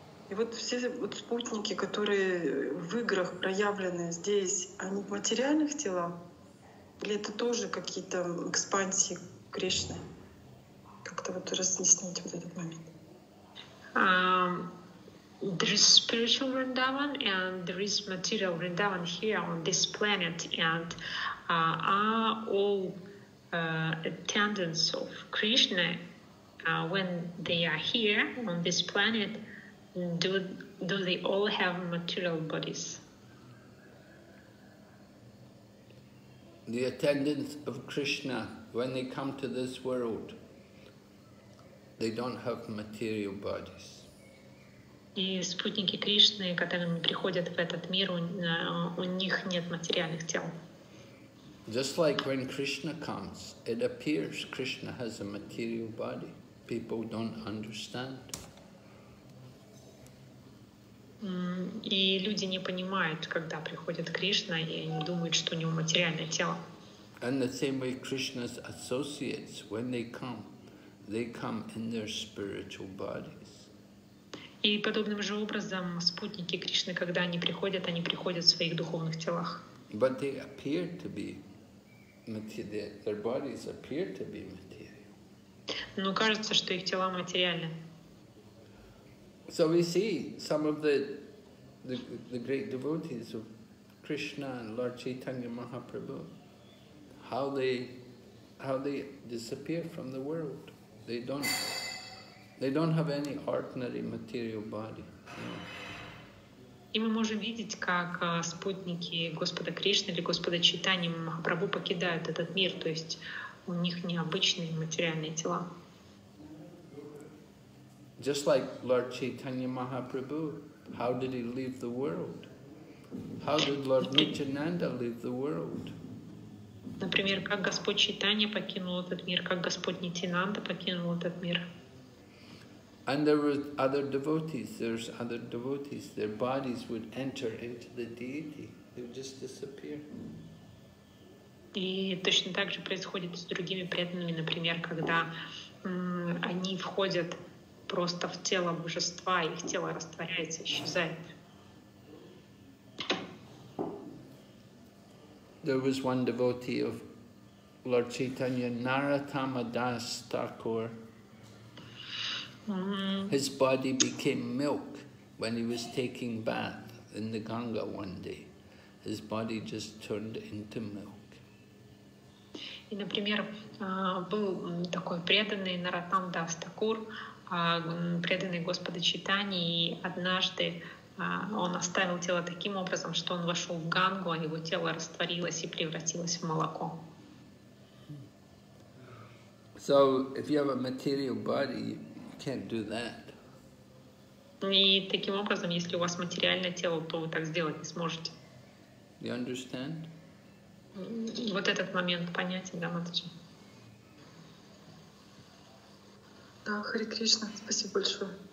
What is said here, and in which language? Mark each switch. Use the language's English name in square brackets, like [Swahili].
[Russian] И вот все вот спутники, которые в играх проявлены здесь, они в материальных телах? Или это тоже какие-то экспансии Кришны? Как-то вот разъяснить вот этот момент. [English] There is spiritual Vrindavan and there is material Vrindavan here on this planet and are all attendants of Krishna when they are here on this planet, do they all have material bodies? The attendants of Krishna, when they come to this world, they don't have material bodies. [Russian] И спутники Кришны, которые приходят в этот мир, у них нет материальных тел. [English] Just like when Krishna comes, it appears Krishna has a material body. People don't understand. [Russian] И люди не понимают, когда приходит Кришна, и они думают, что у него материальное тело. [English] And the same way Krishna's associates, when they come in their spiritual body. [Russian] И подобным же образом спутники Кришны, когда они приходят в своих духовных телах. [English] But they appear to be material. Their bodies appear to be material. [Russian] Но кажется, что их тела материальны. [English] So we see some of the great devotees of Krishna and Lord Chaitanya Mahaprabhu, how they disappear from the world. They don't have any ordinary material body. [Russian] И мы можем видеть, как спутники Господа Кришны или Господа Чайтаньи Махапрабху покидают этот мир, то есть у них необычные материальные тела. [English] Just like Lord Chaitanya Mahaprabhu, how did he leave the world? How did Lord Nityananda leave the world? [Russian] Например, как Господь Чайтанья покинул этот мир, как Господь Нитинанда покинул этот мир. [English] And there were other devotees, there's other devotees, their bodies would enter into the deity, they would just disappear. [Russian] И точно так же происходит с другими преданными, например, когда они входят просто в тело божества, их тело растворяется, исчезает. [English] There was one devotee of Lord Chaitanya, Narottama Das Thakur. His body became milk when he was taking bath in the Ganga one day. His body just turned into milk. [Russian] И, например, был такой преданный Narottam Das Thakur, преданный Господа Чайтаньи, и однажды он оставил тело таким образом, что он вошел в Гангу, а его тело растворилось и превратилось в молоко. [English] So, if you have a material body, can't do that. [Russian] И таким образом, если у вас материальное тело, то вы так сделать не сможете. [English] You understand? [Russian] Вот этот момент понятен, да, Матаджи? Да, Хари Кришна, спасибо большое.